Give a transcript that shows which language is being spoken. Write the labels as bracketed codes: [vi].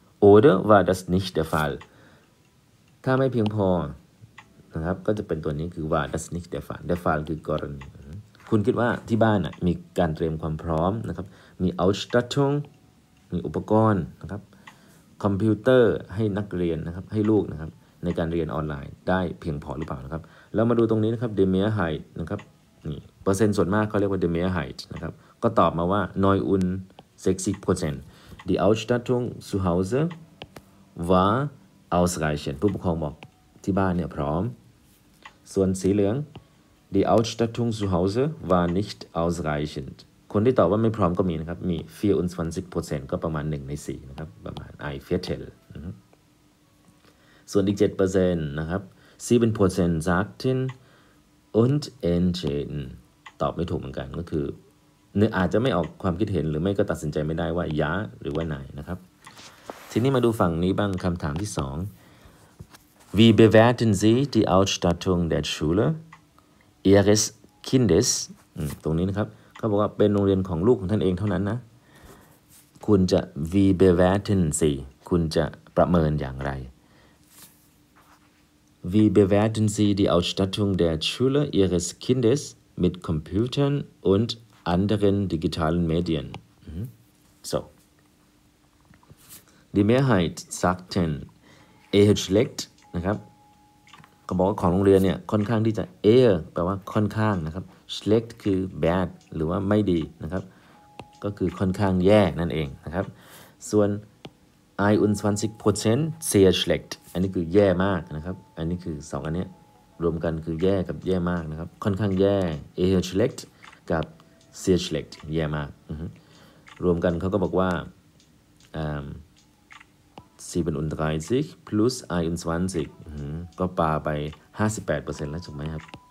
[de] oder war das nicht der Fall [th] ถ้าไม่เพียงพอนะครับก็จะเป็นตัวนี้คือ [de] war das nicht der Fall [th] คือกรณีคุณคิดว่าที่บ้านมีการเตรียมความพร้อมนะครับมี Ausstattung มีอุปกรณ์นะครับคอมพิวเตอร์ให้นักเรียนนะครับให้ลูกนะครับในการเรียนออนไลน์ได้เพียงพอหรือเปล่านะครับเรามาดูตรงนี้นะครับ die Mehrheit นะครับนี่เปอร์เซ็นต์ส่วนมากเขาเรียกว่า die Mehrheit นะครับก็ตอบมาว่า 69% [de] die Ausstattung zu Hause war ausreichend. [th] ผู้ปกครองบอกที่บ้านเนี่ยพร้อม ส่วนสีเหลือง [de] die Ausstattung zu Hause war nicht ausreichend. [th] คนที่ตอบว่าไม่พร้อมก็มีนะครับมี 24% ก็ประมาณ1ใน4นะครับประมาณ ein Viertel. ส่วนอีก 7% นะครับ [de] 7% sagten und entschieden. [th] ตอบไม่ถูกเหมือนกันก็คือเนี่ยอาจจะไม่ออกความคิดเห็นหรือไม่ก็ตัดสินใจไม่ได้ว่ายะหรือว่านายนะครับทีนี้มาดูฝั่งนี้บ้างคำถามที่2 [de] Wie bewerten Sie die Ausstattung der Schule Ihres Kindes [th] ตรงนี้นะครับเขาบอกว่าเป็นโรงเรียนของลูกของท่านเองเท่านั้นนะ คุณจะ [de] Wie bewerten Sie [th] คุณจะประเมินอย่างไร [de] Wie bewerten Sie die Ausstattung der Schule Ihres Kindes mit Computern undanderen digitalen Medien. So. Die Mehrheit sagten eher schlecht, [th] นะครับ ก็บอกว่าของโรงเรียนเนี่ยค่อนข้างที่จะ eher แปลว่าค่อนข้างนะครับ schlecht คือ bad หรือว่าไม่ดีนะครับก็คือค่อนข้างแย่นั่นเองนะครับส่วน [de] 21% sehr schlecht [th] อันนี้คือแย่มากนะครับอันนี้คือ2อันเนี้ยรวมกันคือแย่กับแย่มากนะครับค่อนข้างแย่ [de] eher schlecht [th] กับเสียเฉลต์แย่มากรวมกันเขาก็บอกว่า37 plus 21ก็ปาไป 58% แล้วถูกไหมครับ